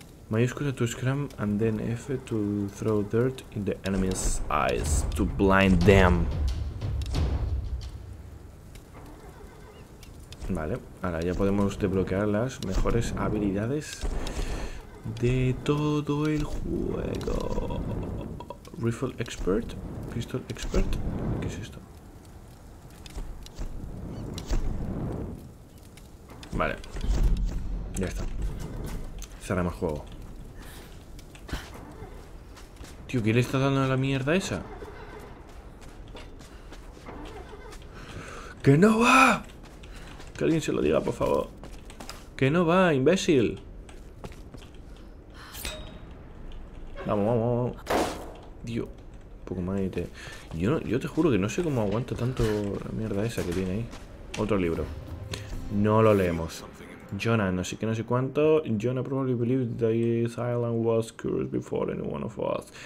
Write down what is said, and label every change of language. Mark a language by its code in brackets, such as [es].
[en] Mayúscula to scram and then F to throw dirt in the enemy's eyes to blind them. [es] Vale, ahora ya podemos desbloquear las mejores habilidades de todo el juego. Rifle Expert, Pistol Expert. ¿Qué es esto? Vale. Ya está. Cerramos el juego. Tío, ¿quién le está dando la mierda esa? ¡Que no va! Que alguien se lo diga, por favor. ¡Que no va, imbécil! Vamos, vamos, vamos. Tío, un poco más y te... Yo, no, yo te juro que no sé cómo aguanta tanto la mierda esa que tiene ahí. Otro libro. No lo leemos. Jonah, no sé qué, no sé cuánto. [en] Jonah probably believed that this island was cursed before any one of us.